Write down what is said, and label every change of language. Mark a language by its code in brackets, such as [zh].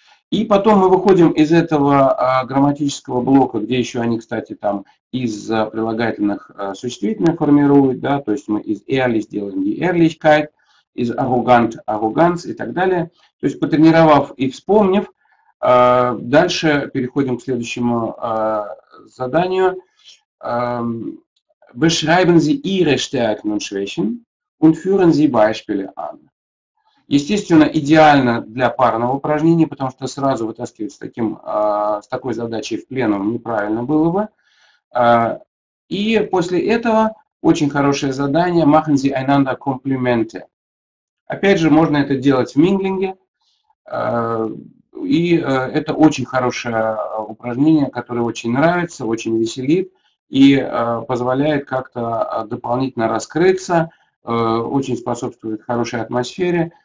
[ru] И потом мы выходим из этого грамматического блока, где еще они, кстати, там из прилагательных существительных формируют, да, то есть мы из ehrlich делаем die Ehrlichkeit, из arrogant arroganz и так далее. То есть потренировав и вспомнив, дальше переходим к следующему заданию. [de] Beschreiben Sie Ihre Stärken und Schwächen und führen Sie Beispiele an. [ru] Естественно, идеально для парного упражнения, потому что сразу вытаскивать с такой задачей в пленум неправильно было бы. И после этого очень хорошее задание [de] «Machen Sie einander Komplimente». [ru] Опять же, можно это делать в минглинге. И это очень хорошее упражнение, которое очень нравится, очень веселит и позволяет как-то дополнительно раскрыться, очень способствует хорошей атмосфере.